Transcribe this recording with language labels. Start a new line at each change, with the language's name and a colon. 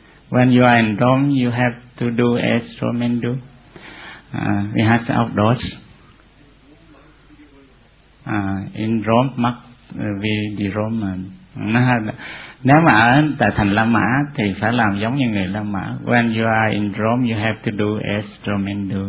English: When you are in Rome, you have to do as Romans do. We have to outdoors. In Rome, must be the Roman.
Vietnamese: Nếu mà ở tại thành La Mã thì phải làm giống như người La Mã.
English: When you are in Rome, you have to do as Romans do.